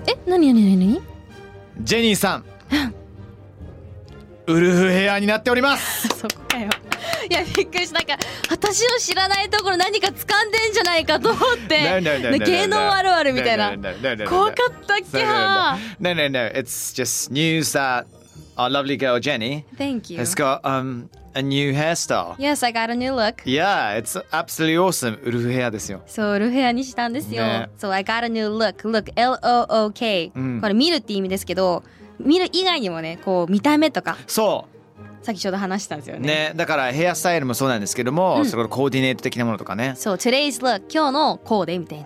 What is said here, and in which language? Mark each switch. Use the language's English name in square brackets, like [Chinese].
[Japanese] え？何何何？ジェニーさん、ウルフヘアになっております。そこかよ。いやびっくりした、なんか私の知らないところ何か掴んでんじゃないかと思って、芸能あるあるみたいな、怖かったっけ。 [English] No. It's just news that our lovely girl Jenny Thank you. has got a new hairstyle. Yes, I got a new look. Yeah, it's absolutely awesome. [Japanese] ウルフヘアですよ。そう、ウルフヘアにしたんですよ。 [English] So I got a new look. [Japanese] Look, LOOK、これ見るって意味ですけど、見る以外にもね、こう見た目とか、そう、さっきちょうど話したんですよ ね。だからヘアスタイルもそうなんですけども、うん、それからコーディネート的なものとかね。そう、 [English] Today's look、 [Japanese] 今日のコーデみたいな。